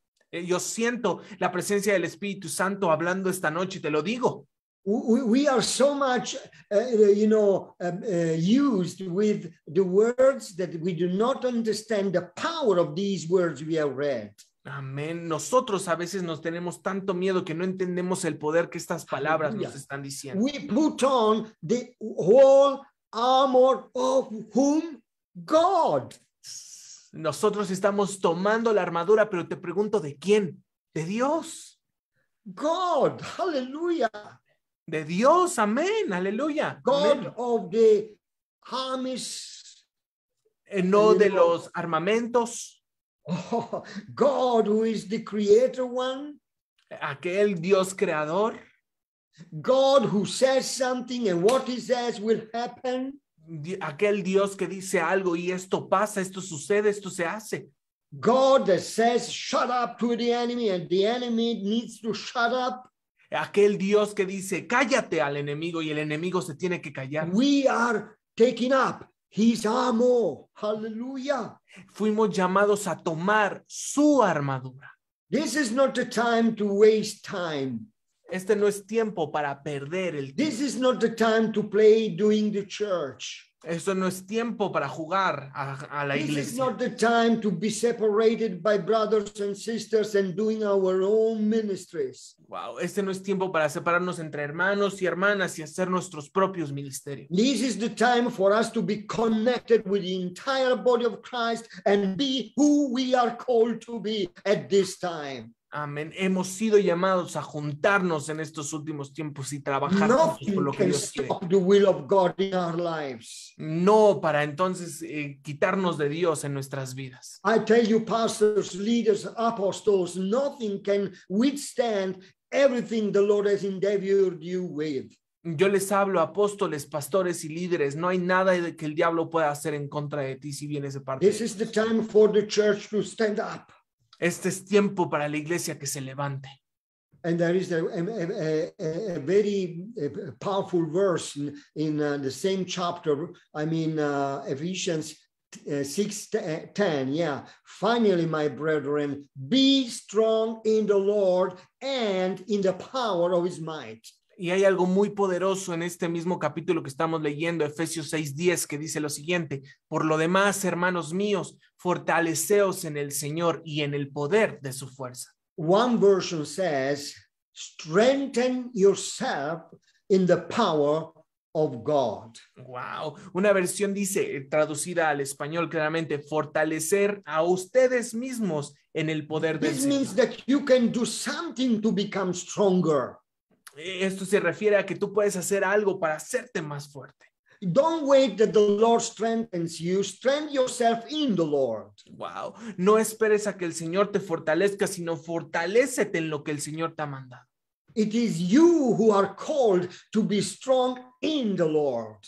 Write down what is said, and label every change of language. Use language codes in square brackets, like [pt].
[es] Yo siento la presencia del Espíritu Santo hablando esta noche, te lo digo. [en] We are so much, used with the words that we do not understand the power of these words we have read. [es] Amén. Nosotros a veces nos tenemos tanto miedo que no entendemos el poder que estas palabras nos están diciendo. [en] We put on the whole armor of whom? God. [es] Nosotros estamos tomando la armadura, pero te pregunto, ¿de quién? De Dios. [en] God. Hallelujah. [es] De Dios, amén, aleluya. [en] God amén. Of the armies. [es] No de los armamentos. [en] Oh, God who is the creator one. [es] Aquel Dios creador. [en] God who says something and what he says will happen. [es] Aquel Dios que dice algo y esto pasa, esto sucede, esto se hace. [en] God that says shut up to the enemy and the enemy needs to shut up. [es] Aquel Dios que dice, cállate al enemigo y el enemigo se tiene que callar. [en] We are taking up his armor. Hallelujah. [es] Fuimos llamados a tomar su armadura. [en] This is not the time to waste time. [es] Este no es tiempo para perder el tiempo. [en] This is not the time to play doing the church. [es] Esto no es tiempo para jugar a la [en] This [es] iglesia. [en] This is not the time to be separated by brothers and sisters and doing our own ministries. [es] Wow, este no es tiempo para separarnos entre hermanos y hermanas y hacer nuestros propios ministerios. [en] This is the time for us to be connected with the entire body of Christ and be who we are called to be at this time. [es] Amén. Hemos sido llamados a juntarnos en estos últimos tiempos y trabajar con lo que Dios cree. [en] The will of God in our lives. [es] No para entonces quitarnos de Dios en nuestras vidas. [en] I tell you, pastors, leaders, apostles, nothing can withstand everything the Lord has endeavored you with. [es] Yo les hablo, apóstoles, pastores y líderes, no hay nada que el diablo pueda hacer en contra de ti si vienes de parte. [en] This is the time for the church to stand up. [es] Este es tiempo para la iglesia que se levante. [en] And there is a very powerful verse in the same chapter, I mean Ephesians 6:10, yeah. Finally, my brethren, be strong in the Lord and in the power of his might. [es] Y hay algo muy poderoso en este mismo capítulo que estamos leyendo, Efesios 6:10, que dice lo siguiente: por lo demás, hermanos míos, fortaleceos en el Señor y en el poder de su fuerza. [en] One version says, strengthen yourself in the power of God. Wow. [es] Una versión dice, traducida al español claramente, fortalecer a ustedes mismos en el poder del Señor. [en] This means that you can do something to become stronger. [es] Esto se refiere a que tú puedes hacer algo para hacerte más fuerte. [en] Don't wait that the Lord strengthens you. Strengthen yourself in the Lord. Wow. [es] No esperes a que el Señor te fortalezca, sino fortalécete en lo que el Señor te ha mandado. [en] It is you who are called to be strong in the Lord.